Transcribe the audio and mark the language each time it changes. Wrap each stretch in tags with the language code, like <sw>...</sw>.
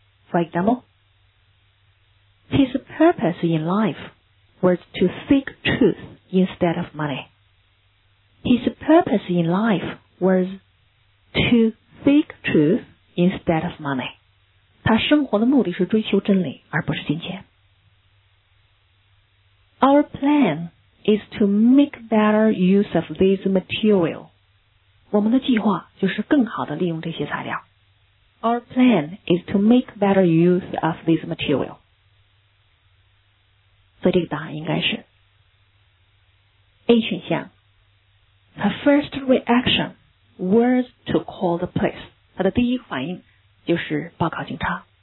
<en>For example, his purpose in life,was to seek truth instead of money. His purpose in life was to seek truth instead of money.</en> <zh>他生活的目的是追求真理而不是金钱。</zh> <en>Our plan is to make better use of this material.</en> <zh>我们的计划就是更好地利用这些材料。</zh> <en>Our plan is to make better use of this material.</en> <zh>所以这个答案应该是 A 选项</zh> <en>Her first reaction was to call the police</en> <zh>她的第一个反应就是报考警察</zh>